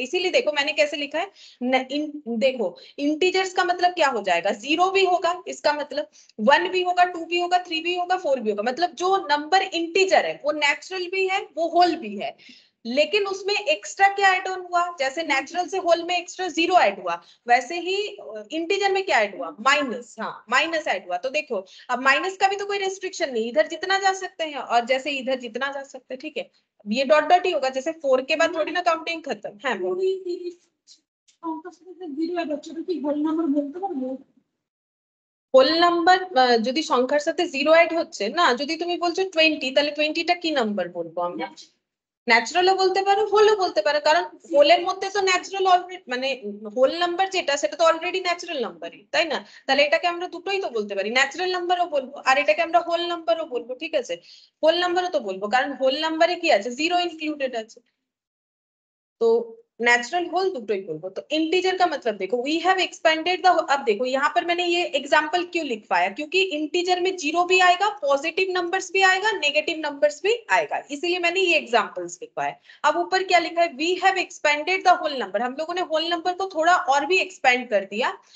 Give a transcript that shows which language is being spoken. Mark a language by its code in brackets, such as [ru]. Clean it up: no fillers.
[hi] इसीलिए देखो मैंने कैसे लिखा है, देखो इंटीजर्स का मतलब क्या हो जाएगा, जीरो भी होगा, इसका मतलब 1 भी होगा, 2 भी होगा, 3 भी होगा, 4 भी होगा, मतलब जो नंबर इंटीजर है वो नेचुरल भी है, वो होल भी है, लेकिन उसमें एक्स्ट्रा क्या ऐड ऑन हुआ, जैसे नेचुरल से होल में एक्स्ट्रा जीरो ऐड हुआ, वैसे ही इंटीजर में क्या ऐड हुआ, माइनस, हाँ माइनस ऐड हुआ। तो देखो अब माइनस का भी तो कोई रेस्ट्रिक्शन नहीं, इधर जितना जा सकते हैं और जैसे इधर जितना जा सकते हैं, ठीक है। ये डॉट डॉट ही होगा, जैसे 4 के बाद थोड़ी ना काउंटिंग खत्म है, होल नंबर [bn] যদি সংখ্যার সাথে 0 এড হচ্ছে না, যদি তুমি বলছো 20, তাহলে 20 টা কি নাম্বার বলবো আমরা, ন্যাচারালও বলতে পারো হোলও বলতে পারো, কারণ হোলের মধ্যে তো ন্যাচারাল অলরেডি, মানে হোল নাম্বার যেটা সেটা তো অলরেডি ন্যাচারাল নাম্বারই, তাই না। তাহলে এটাকে আমরা দুটোই তো বলতে পারি, ন্যাচারাল নাম্বারও বলবো আর এটাকে আমরা হোল নাম্বারও বলবো, ঠিক আছে, হোল নাম্বারও তো বলবো, কারণ হোল নাম্বারে কি আছে, 0 ইনক্লুডেড আছে, তো नेचुरल होल दुटोई बोलो। [hi] तो इंटीजर का मतलब देखो, [en] we have expanded the, [hi] अब देखो यहाँ पर मैंने ये एग्जांपल क्यों लिखवाया, क्योंकि इंटीजर में जीरो भी आएगा, पॉजिटिव नंबर्स भी आएगा, नेगेटिव नंबर्स भी आएगा, इसीलिए मैंने ये एग्जांपल्स लिखवाया। अब ऊपर क्या लिखा है, [en] we have expanded the whole number, [hi] हम लोगों ने होल नंबर को थोड़ा और भी एक्सपेंड कर दिया,